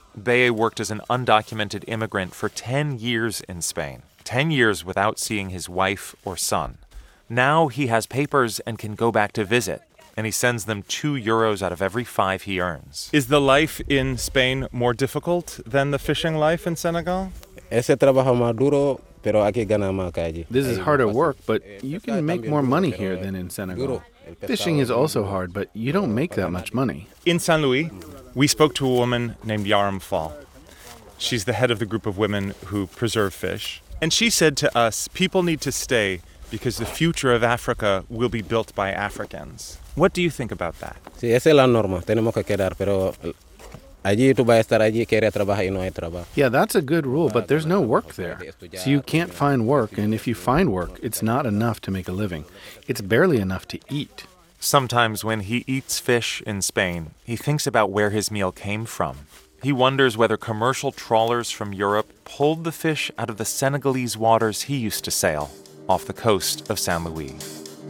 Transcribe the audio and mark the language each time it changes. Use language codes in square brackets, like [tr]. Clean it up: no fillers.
[en] Baye worked as an undocumented immigrant for 10 years in Spain, 10 years without seeing his wife or son. Now he has papers and can go back to visit, and he sends them 2 euros out of every 5 he earns. Is the life in Spain more difficult than the fishing life in Senegal? [es] Ese trabajo más duro, pero aquí gana más que allí. [en] This is harder work, but you can make more money here than in Senegal. Fishing is also hard, but you don't make that much money. In San Luis, we spoke to a woman named Yarmfall. She's the head of the group of women who preserve fish. And she said to us, people need to stay because the future of Africa will be built by Africans. What do you think about that? [es] Sí, esa es la norma. Tenemos que quedar, pero allí tú vas a estar allí, quieres trabajar y no hay trabajo. [en] Yeah, that's a good rule, but there's no work there. So you can't find work, and if you find work, it's not enough to make a living. It's barely enough to eat. Sometimes when he eats fish in Spain, he thinks about where his meal came from. He wonders whether commercial trawlers from Europe pulled the fish out of the Senegalese waters he used to sail, off the coast of San Luis.